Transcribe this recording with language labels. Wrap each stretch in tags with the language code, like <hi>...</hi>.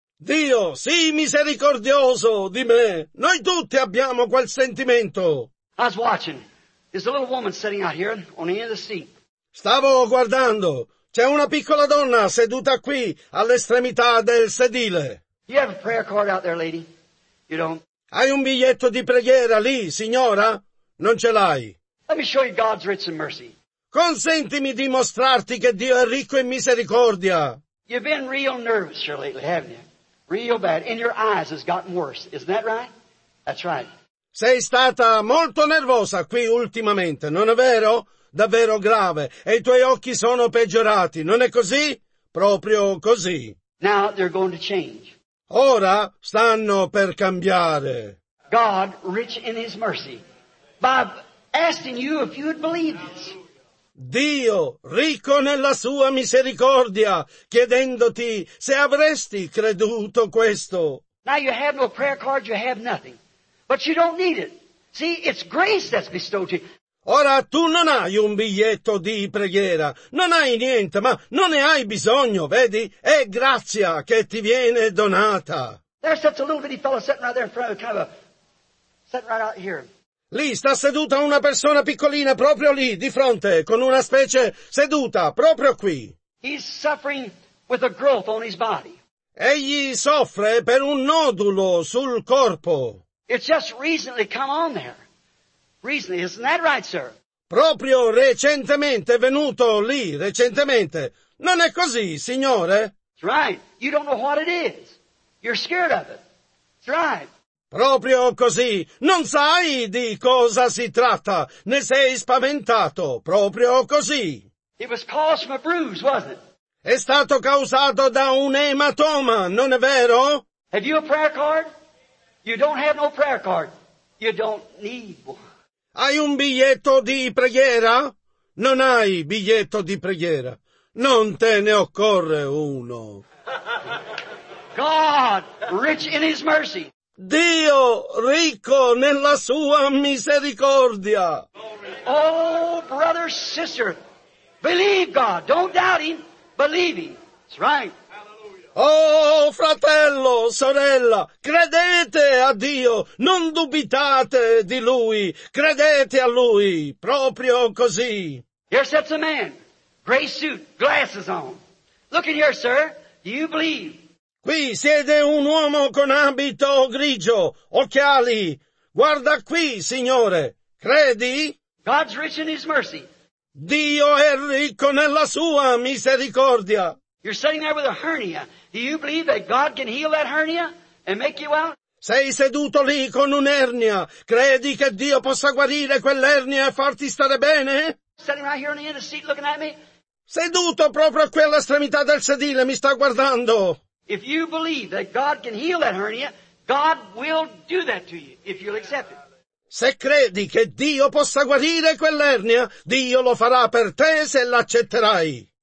<it>Dio, sii misericordioso di me. Noi tutti abbiamo quel sentimento.</it> <en>I was watching. There's a little woman sitting out here on the end of the seat.</en> <it>Stavo guardando. C'è una piccola donna seduta qui all'estremità del sedile.</it> <en>You have a prayer card out there, lady? You don't?</en> <it>Hai un biglietto di preghiera lì, signora? Non ce l'hai.</it> <en>Let me show you God's rich in mercy.</en> <it>Consentimi di mostrarti che Dio è ricco in misericordia.</it> <en>You've been real nervous here lately, haven't you? Real bad. And your eyes has gotten worse. Isn't that right? That's right.</en> <it>Sei stata molto nervosa qui ultimamente, non è vero? Davvero grave. E i tuoi occhi sono peggiorati, non è così? Proprio così.</it> <en>Now they're going to change.</en> <it>Ora stanno per cambiare.</it> <en>God, rich in his mercy, by asking you if you would believe this.</en> <it>Dio, ricco nella sua misericordia, chiedendoti se avresti creduto questo.</it> <en>Now you have no prayer card, you have nothing. But you don't need it. See, it's grace that's bestowed to you.</en> <it>Ora tu non hai un biglietto di preghiera, non hai niente, ma non ne hai bisogno, vedi? È grazia che ti viene donata.</it> <en>There's such a little bitty fellow sitting right there in front of the camera, sitting right out here.</en> <it>Lì sta seduta una persona piccolina proprio lì, di fronte, con una specie seduta, proprio qui.</it> <en>He's suffering with a growth on his body.</en> <it>Egli soffre per un nodulo sul corpo.</it> <en>It's just recently come on there. Recently, isn't that right, sir?</en> <it>Proprio recentemente è venuto lì, recentemente. Non è così, Signore.</it> <en>That's right. You don't know what it is. You're scared of it. That's right.</en> <it>Proprio così. Non sai di cosa si tratta. Ne sei spaventato. Proprio così.</it> <en>It was caused from a bruise, wasn't it?</en> <it>È stato causato da un ematoma, non è vero?</it> <en>Have you a prayer card? You don't have no prayer card. You don't need one.</en> <it>Hai un biglietto di preghiera? Non hai biglietto di preghiera. Non te ne occorre uno.</it> <en>God, rich in his mercy.</en> <it>Dio, ricco nella sua misericordia.</it> <en>Oh, brother, sister, believe God. Don't doubt him. Believe him. That's right.</en> <it>Oh, fratello, sorella, credete a Dio, non dubitate di Lui, credete a Lui, proprio così.</it> <en>Here sits a man, gray suit, glasses on. Look in here, sir, do you believe?</en> <it>Qui siede un uomo con abito grigio, occhiali. Guarda qui, signore, credi?</it> <en>God's rich in his mercy.</en> <it>Dio è ricco nella sua misericordia.</it> <en>You're sitting there with a hernia. Do you believe that God can heal that hernia and make you well?</en> <it>Sei seduto lì con un'ernia. Credi che Dio possa guarire quell'ernia e farti stare bene?</it> <en>Sitting right here on the end of the seat looking at me?</en> <it>Seduto proprio a quell'estremità del sedile, mi sta guardando.</it> <en>If you believe that God can heal that hernia, God will do that to you if you'll accept it.</en> <it>Se credi che Dio possa guarire quell'ernia, Dio lo farà per te se l'accetterai.</it>